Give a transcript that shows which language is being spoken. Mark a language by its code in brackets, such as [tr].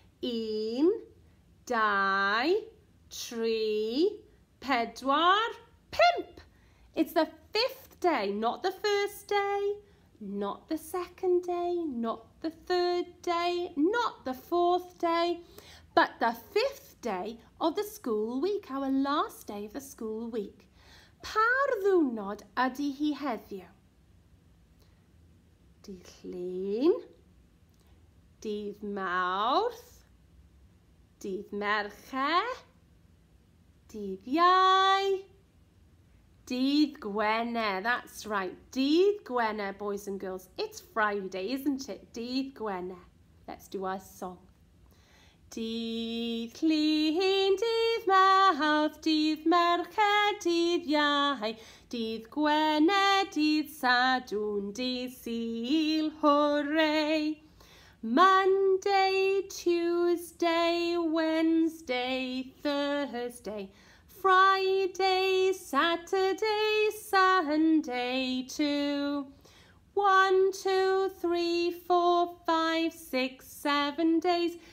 [cy] Un, dau, tri, pedwar, pimp. [en] It's the fifth day, not the first day, not the second day, not the third day, not the fourth day, but the fifth day of the school week, our last day of the school week. [cy] Pa ddiwrnod ydy hi heddiw? Dydd Llun, Dydd Mawrth, Dydd Mercher, Dydd Iau, Dydd Gwener. [en] That's right, Dydd Gwener, boys and girls. It's Friday, isn't it? Dydd Gwener. Let's do our song. [cy] Dydd Llun, Dydd Mawrth, Dydd Mercher, Dydd Iau, Dydd Gwener, Dydd Sadwrn, Dydd Sul, hooray. [en] Monday, Tuesday, Wednesday, Thursday, Friday, Saturday, Sunday too. 1, 2, 3, 4, 5, 6, 7 days.